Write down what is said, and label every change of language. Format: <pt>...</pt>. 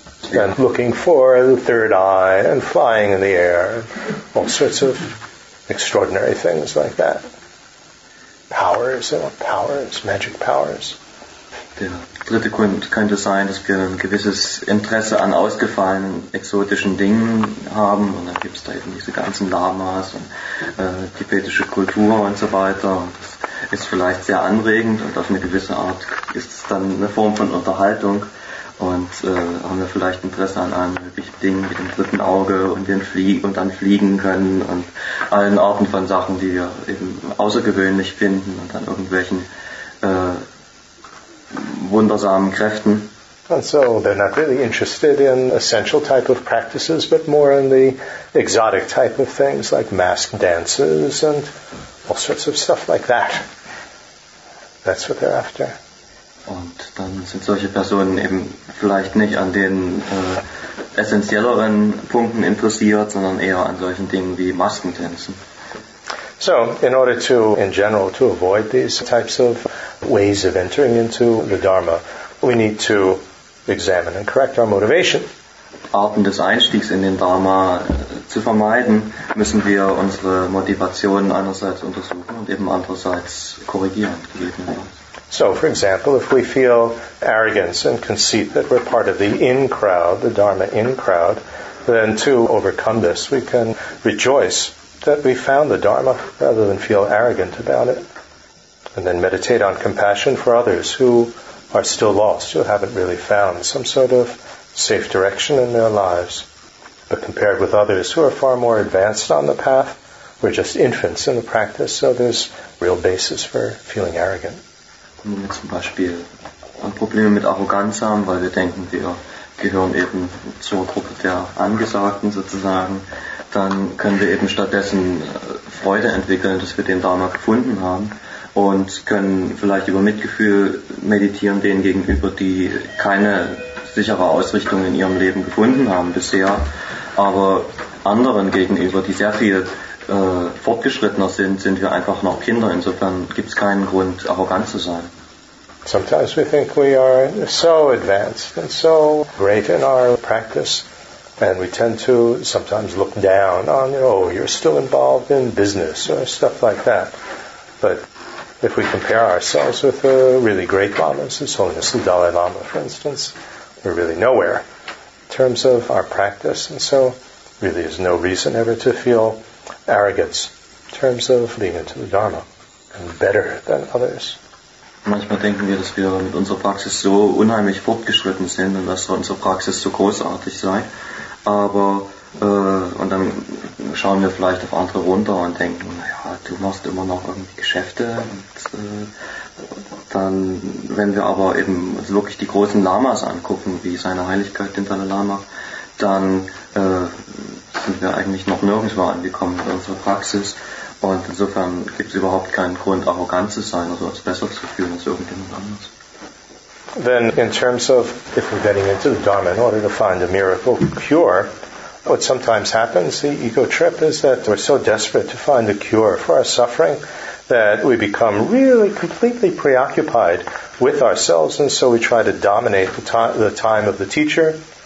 <en>And looking for the third eye and flying in the air, all sorts of extraordinary things like that. Powers, they want powers, magic powers.</en> <de>Der dritte Grund könnte sein, dass wir ein gewisses Interesse an ausgefallenen exotischen Dingen haben. Und dann gibt es da eben diese ganzen Lamas und tibetische Kultur und so weiter. Und das ist vielleicht sehr anregend und auf eine gewisse Art ist es dann eine Form von Unterhaltung. Und haben wir vielleicht Interesse an einem wichtigen Ding mit dem dritten Auge und den dann fliegen können und allen Arten von Sachen, die wir eben außergewöhnlich finden und an irgendwelchen wundersamen Kräften.</de> <en>And so they're not really interested in essential type of practices, but more in the exotic type of things like mask dances and all sorts of stuff like that. That's what they're after.</en> <de>Und dann sind solche Personen eben vielleicht nicht an den essentielleren Punkten interessiert, sondern eher an solchen Dingen wie Maskentänzen.</de> <en>So, in order to, in general, to avoid these types of ways of entering into the Dharma, we need to examine and correct our motivation.</en> <de>Arten des Einstiegs in den Dharma zu vermeiden, müssen wir unsere Motivation einerseits untersuchen und eben andererseits korrigieren.</de> <en>So, for example, if we feel arrogance and conceit that we're part of the in-crowd, the Dharma in-crowd, then to overcome this, we can rejoice that we found the Dharma rather than feel arrogant about it. And then meditate on compassion for others who are still lost, who haven't really found some sort of safe direction in their lives. But compared with others who are far more advanced on the path, we're just infants in the practice, so there's real basis for feeling arrogant.</en> <de>Wenn wir zum Beispiel Probleme mit Arroganz haben, weil wir denken, wir gehören eben zur Gruppe der Angesagten sozusagen, dann können wir eben stattdessen Freude entwickeln, dass wir den Dharma gefunden haben und können vielleicht über Mitgefühl meditieren denen gegenüber, die keine sichere Ausrichtung in ihrem Leben gefunden haben bisher, aber anderen gegenüber, die sehr viel fortgeschrittener sind wir einfach noch Kinder. Insofern gibt es keinen Grund, arrogant zu sein.</de> <en>Sometimes we think we are so advanced and so great in our practice, and we tend to sometimes look down on, you know, you're still involved in business or stuff like that. But if we compare ourselves with the really great lamas, His Holiness the Dalai Lama, for instance, we're really nowhere in terms of our practice, and so really is no reason ever to feel arrogance in terms of being into the Dharma and better than others.</en> <de>Manchmal denken wir, dass wir mit unserer Praxis so unheimlich fortgeschritten sind und dass unsere Praxis so großartig sei. Aber, und dann schauen wir vielleicht auf andere runter und denken, naja, du machst immer noch irgendwie Geschäfte. Und, dann, wenn wir aber eben wirklich die großen Lamas angucken, wie seine Heiligkeit, den Dalai Lama, dann sind wir eigentlich noch nirgendwo angekommen mit unserer Praxis. Und insofern gibt es überhaupt keinen Grund, arrogant zu sein oder es besser zu fühlen als irgendjemand anderes.</de> <en>Then in terms of if we're getting into the Dharma in order to find a miracle cure, what sometimes happens, the ego trip, is that we're so desperate to find a cure for our suffering that we become really completely preoccupied with ourselves, and so we try to dominate the time of the teacher.</en>